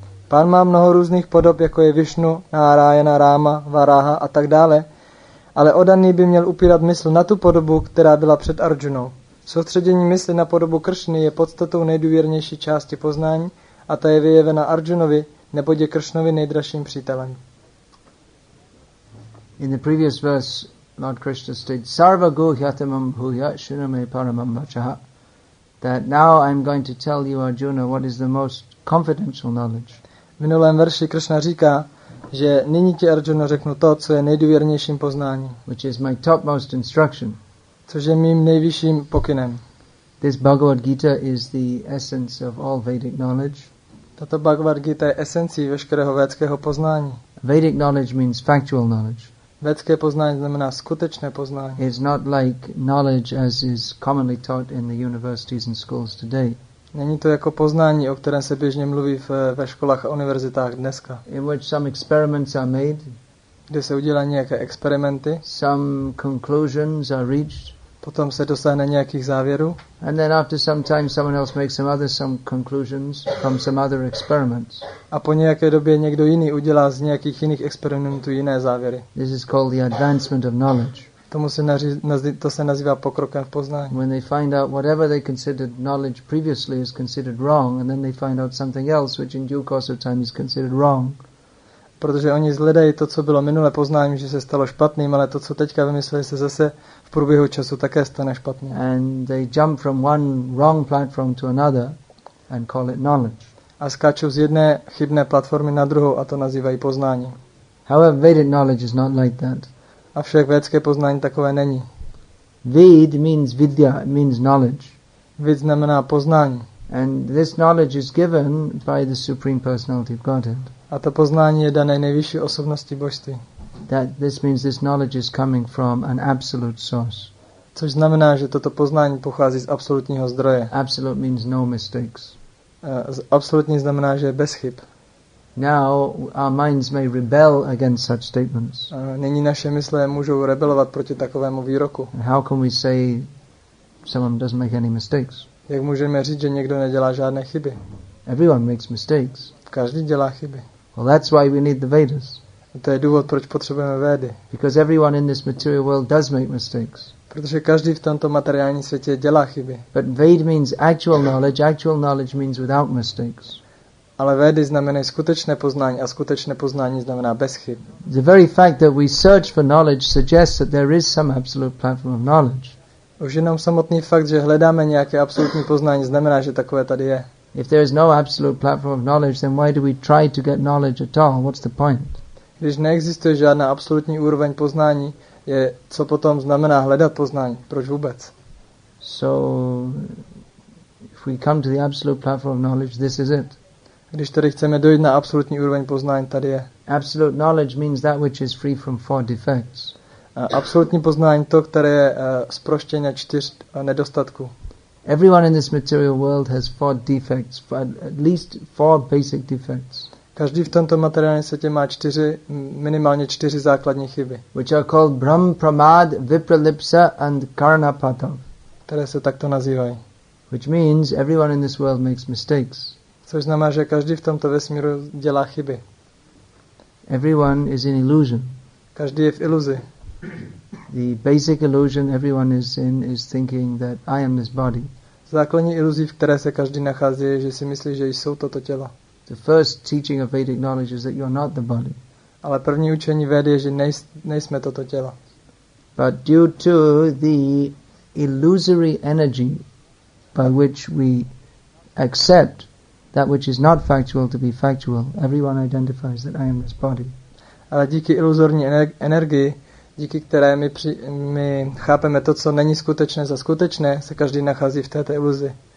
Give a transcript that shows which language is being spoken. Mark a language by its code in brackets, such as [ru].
[cs] Pán má mnoho různých podob, jako je Višnu, Nárájana, Ráma, Varáha a tak dále, ale oddaný by měl upírat mysl na tu podobu, která byla před Arjunou. Soustředění mysli na podobu Kršny je podstatou nejdůvěrnější části poznání a ta je vyjevena Arjunovi, neboť je Kršnovi nejdražším přítelem. [en] In the previous verse, Lord Krishna states, [sa] Sarva go hyatamam bhuya shunam paramam vachaha, [en] that now I'm going to tell you, Arjuna, what is the most confidential knowledge. [cs] V minulém verši Krishna říká, že nyní ti, Arjuna, řeknu to, co je nejdůvěrnějším poznáním. [en] Which is my topmost instruction. [cs] Což je mým nejvyšším pokynem. [en] This Bhagavad Gita is the essence of all Vedic knowledge. [cs] Tato Bhagavad Gita je esencí veškerého védského poznání. [en] Vedic knowledge means factual knowledge. [cs] Védské poznání znamená skutečné poznání. [en] It's not like knowledge as is commonly taught in the universities and schools today. [cs] Není to jako poznání, o kterém se běžně mluví ve školách a univerzitách dneska. [en] In which some experiments are made. [cs] Kde se udělají nějaké experimenty. [en] Some conclusions are reached. [cs] Potom se dosáhne nějakých závěrů. [en] And then after some time someone else makes some conclusions from some other experiments. [cs] A po nějaké době někdo jiný udělá z nějakých jiných experimentů jiné závěry. [en] This is called the advancement of knowledge. [cs] To se nazývá pokrokem v poznání. [en] When they find out whatever they considered knowledge previously is considered wrong, and then they find out something else which in due course of time is considered wrong. [cs] Protože oni zhledají to, co bylo minulé poznání, že se stalo špatným, ale to, co teďka vymysleli, se zase v průběhu času také stane špatným. [en] And they jump from one wrong platform to another and call it knowledge. [cs] A skáču z jedné chybné platformy na druhou a to nazývají poznání. [en] However, Vedic knowledge is not like that. [cs] Avšak vědecké poznání takové není. [en] Ved means vidya, means knowledge. [cs] Ved znamená poznání. [en] And this knowledge is given by the Supreme Personality of Godhead. [cs] A to poznání je dané nejvyšší osobnosti božství. [en] That this means this knowledge is coming from an absolute source. [cs] Což znamená, že toto poznání pochází z absolutního zdroje. [en] Absolute means no mistakes. [cs] Absolutní znamená, že je bez chyb. [en] Now our minds may rebel against such statements. [cs] Nyní naše mysle můžou rebelovat proti takovému výroku. [en] And how can we say someone doesn't make any mistakes? [cs] Jak můžeme říct, že někdo nedělá žádné chyby? [en] Everyone makes mistakes. [cs] Každý dělá chyby. [en] Well, that's why we need the Vedas. [cs] A to je důvod, proč potřebujeme Védy. [en] Because everyone in this material world does make mistakes. [cs] Protože každý v tomto materiálním světě dělá chyby. [en] But Ved means actual knowledge. Actual knowledge means without mistakes. [cs] Ale Védy znamenají skutečné poznání a skutečné poznání znamená bez chyb. [en] The very fact that we search for knowledge suggests that there is some absolute platform of knowledge. [cs] Už jenom samotný fakt, že hledáme nějaké absolutní poznání, znamená, že takové tady je. [en] If there is no absolute platform of knowledge, then why do we try to get knowledge at all? What's the point? [cs] Když neexistuje žádná absolutní úroveň poznání, je co potom znamená hledat poznání? Proč vůbec? [en] So if we come to the absolute platform of knowledge, this is it. [cs] Když tady chceme dojít na absolutní úroveň poznání, tady je. [en] Absolute knowledge means that which is free from four defects. [cs] Absolutní poznání to, které je zproštěně čtyř nedostatků. [en] Everyone in this material world has four defects, at least four basic defects. [cs] Každý v tomto materiálním světě má čtyři, minimálně čtyři základní chyby. [en] Which are called Brahm Pramad, Vipralipsa and Karnapatam. [cs] Které se takto nazývají. [en] Which means everyone in this world makes mistakes. [cs] Což znamená, že každý v tomto vesmíru dělá chyby. [en] Everyone is in illusion. [cs] Každý je v iluzi. [en] The basic illusion everyone is in is thinking that I am this body. [cs] Základní iluzí, v které se každý nachází, je, že si myslí, že jsou toto tělo. [en] The first teaching of Vedic knowledge is that you are not the body. [cs] Ale první učení vědy je, že nejsme toto tělo. [en] But due to the illusory energy by which we accept that which is not factual to be factual, everyone identifies that I am this body. [cs] Ale díky iluzorní energii, díky které my chápeme to, co není skutečné za skutečné, se každý nachází v této iluzi.